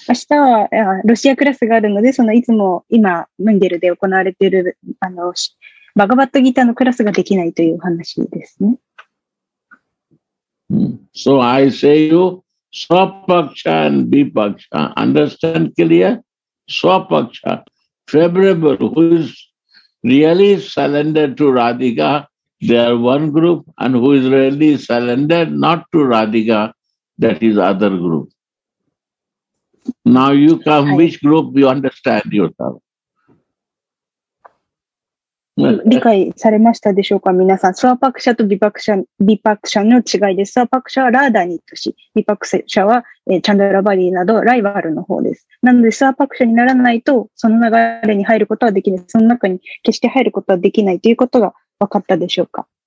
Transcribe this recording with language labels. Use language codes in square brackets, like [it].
[ja] 明日はロシアクラスがあるので、そのいつも今、ムンデルで行われているあのバガバットギターのクラスができないという話ですね。 [en] So I say you, Swapaksha and Bipaksha, understand clear? Swapaksha, favorable, who is really surrendered to Radhika, they are one group, and who is really surrendered not to Radhika, that is other group. Now you come, [ja] はい、 [en] which group you understand yourself? [ja] 理解されましたでしょうか皆さん。スワパクシャとビパクシャ、ビパクシャの違いです。スワパクシャはラーダに愛し、ビパクシャはチャンドラバリーなどライバルの方です。なので、スワパクシャにならないと、その流れに入ることはできない。その中に決して入ることはできないということが分かったでしょうか。